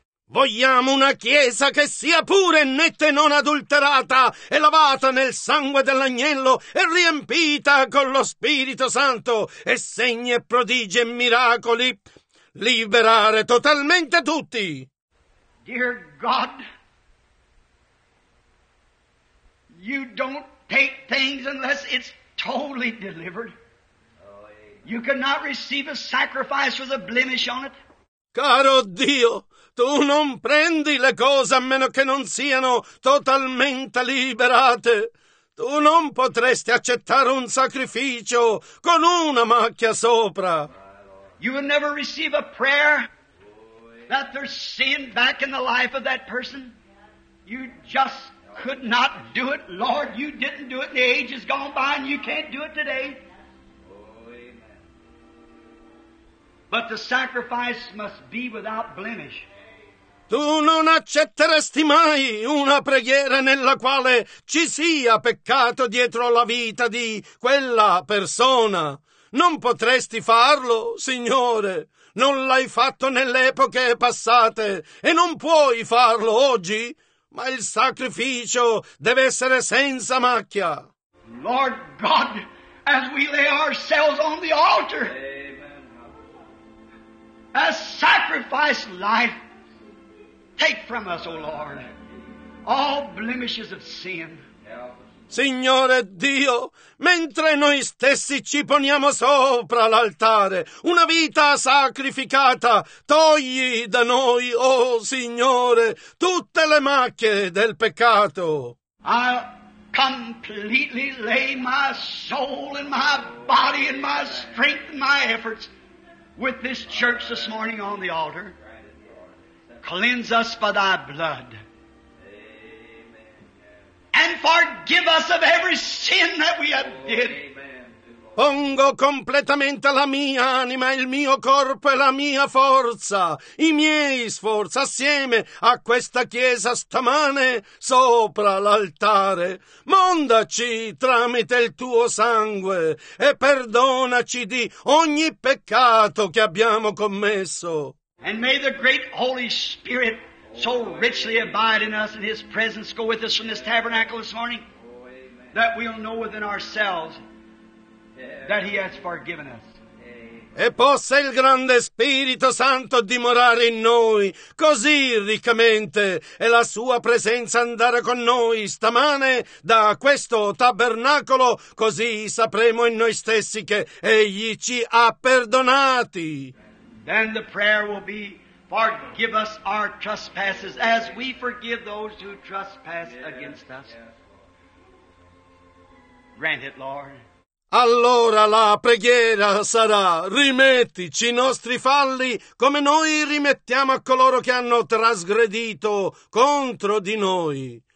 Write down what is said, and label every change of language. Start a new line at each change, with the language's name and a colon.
Italian: Vogliamo una chiesa che sia pure, netta e non adulterata, e lavata nel sangue dell'agnello e riempita con lo Spirito Santo e segni e prodigi e miracoli. Liberare totalmente tutti.
English: Dear God, you don't take things unless it's totally delivered. You cannot receive a sacrifice with a blemish on it.
Italian: Caro Dio, tu non prendi le cose a meno che non siano totalmente liberate. Tu non potresti accettare un sacrificio con una macchia sopra.
English: You would never receive a prayer that there's sin back in the life of that person. You just could not do it. Lord, you didn't do it in the ages gone by and you can't do it today. But the sacrifice must be without blemish.
Italian: Tu non accetteresti mai una preghiera nella quale ci sia peccato dietro la vita di quella persona. Non potresti farlo, Signore. Non l'hai fatto nelle epoche passate e non puoi farlo oggi. Ma il sacrificio deve essere senza macchia.
English: Lord God, as we lay ourselves on the altar, as sacrifice life, take from us, O Lord, all blemishes of sin.
Italian: Signore Dio, mentre noi stessi ci poniamo sopra l'altare, una vita sacrificata, togli da noi, O Signore, tutte le macchie del peccato.
English: I'll completely lay my soul and my body and my strength and my efforts with this church this morning on the altar. Cleanse us by thy blood. And forgive us of every sin that we have did.
Italian: Pongo completamente la mia anima, il mio corpo e la mia forza, i miei sforzi assieme a questa chiesa stamane sopra l'altare. Mondaci tramite il tuo sangue e perdonaci di ogni peccato che abbiamo commesso.
English: And may the great Holy Spirit so richly abide in us and His presence go with us from this tabernacle this morning that we'll know within ourselves that He has forgiven us.
Italian: E possa il grande Spirito Santo dimorare in noi così riccamente e la Sua presenza andare con noi stamane da questo tabernacolo così sapremo in noi stessi che Egli ci ha perdonati.
English: Then the prayer will be, forgive us our trespasses as we forgive those who trespass against us. Grant it, Lord.
Italian: Allora la preghiera sarà, rimettici i nostri falli come noi rimettiamo a coloro che hanno trasgredito contro di noi.